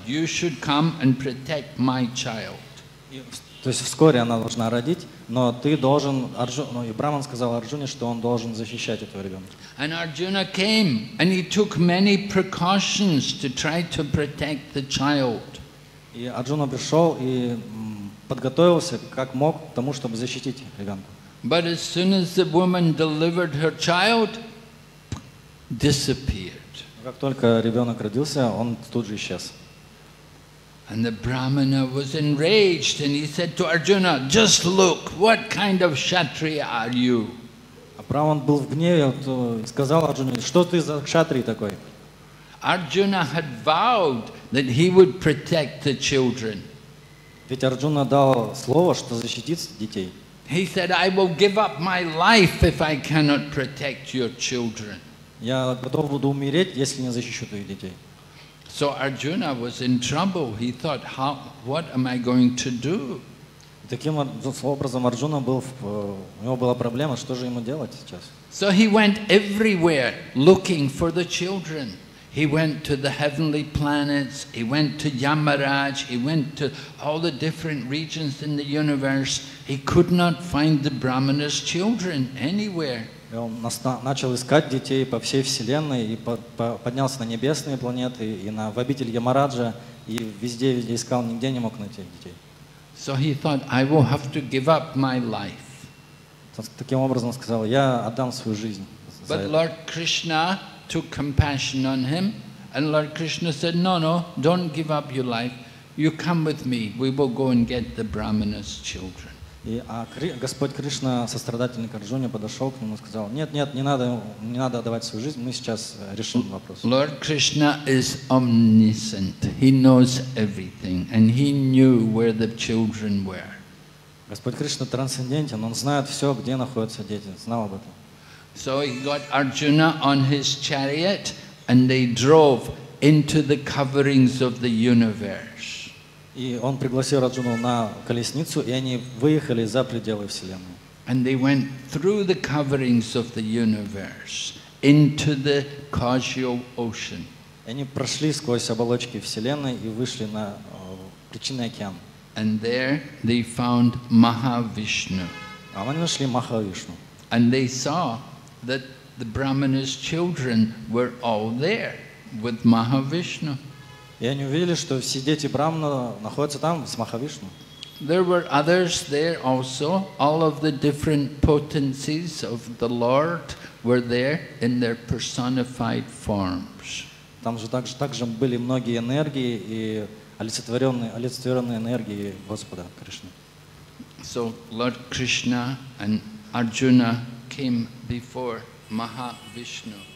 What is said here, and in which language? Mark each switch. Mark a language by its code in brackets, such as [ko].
[en] You should come and protect my child. [ru] То есть вскоре она должна родить, но ты должен, Арджуна, и Браман сказал Арджуне, что он должен защищать этого ребенка. [en] And Arjuna came and he took many precautions to try to protect the child. [ru] И Арджуна пришел и подготовился как мог к тому, чтобы защитить ребенка. [en] But as soon as the woman delivered her child, disappeared. [ru] Как только ребенок родился, он тут же исчез. [en] And the brahmana was enraged, and he said to Arjuna, "Just look, what kind of kshatriya are you?" [ru] А Браман был в гневе и сказал Арджуне, что ты за кшатрий такой? [en] Arjuna had vowed that he would protect the children. [ru] Ведь Арджуна дал слово, что защитит детей. [en] He said, "I will give up my life if I cannot protect your children." [ru] Я готов буду умереть, если не защищу твоих детей. [en] So Arjuna was in trouble. He thought, "How? What am I going to do?" [ru] Таким образом, Арджуна был, у него была проблема. Что же ему делать сейчас? [en] So he went everywhere looking for the children. He went to the heavenly planets. He went to Yamaraj. He went to all the different regions in the universe. He could not find the brahmana's children anywhere. [ru] Он начал искать детей по всей вселенной и поднялся на небесные планеты и в обитель Ямараджа и везде искал, нигде не мог найти детей. [en] So he thought, "I will have to give up my life." [ru] Таким образом сказал, я отдам свою жизнь. [en] But Lord Krishna took compassion on him, and Lord Krishna said, "No, no, don't give up your life. You come with me. We will go and get the brahmana's children." [ru] И Господь Кришна, сострадательный к Арджуне, подошел к нему и сказал, нет, нет, не надо отдавать свою жизнь, мы сейчас решим вопрос. [en] Lord Krishna is omniscient. He knows everything. And he knew where the children were. [ru] Господь Кришна трансцендентен, он знает все, где находятся дети, знал об этом. [en] So he got Arjuna on his chariot, and they drove into the coverings of the universe. [ru] И он пригласил Арджуну на колесницу, и они выехали за пределы Вселенной. [en] And they went through the coverings of the universe into the causal ocean. [ru] И они прошли сквозь оболочки Вселенной и вышли на причинный океан. [en] And there they found Mahavishnu. [ru] А они нашли Махавишну. [en] And they saw that the brahmana's children were all there with Mahavishnu. [ru] И они увидели, что все дети Брахмана находятся там, с Махавишну. [en] There were others there also. All of the different potencies of the Lord were there in their personified forms. [ru] Там же также были многие энергии и олицетворенные энергии Господа Кришны. [en] So Lord Krishna and Arjuna came before Mahavishnu.